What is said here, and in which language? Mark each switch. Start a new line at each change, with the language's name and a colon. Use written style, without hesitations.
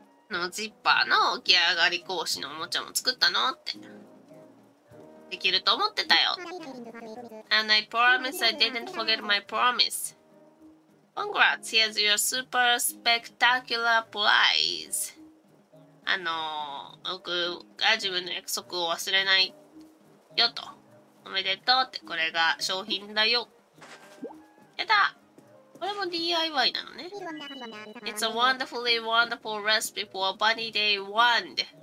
Japanese: のジッパーの起き上がり格子のおもちゃも作ったのって。できると思ってたよ。
English: And I promise I didn't forget my promise. Congrats! Here's your super spectacular prize.
Japanese: あの、僕が自分の約束を忘れないよと。おめでとうって、これが商品だよ。やだ、これも DIY なのね。
English: It's a wonderfully wonderful recipe for a bunny day wand.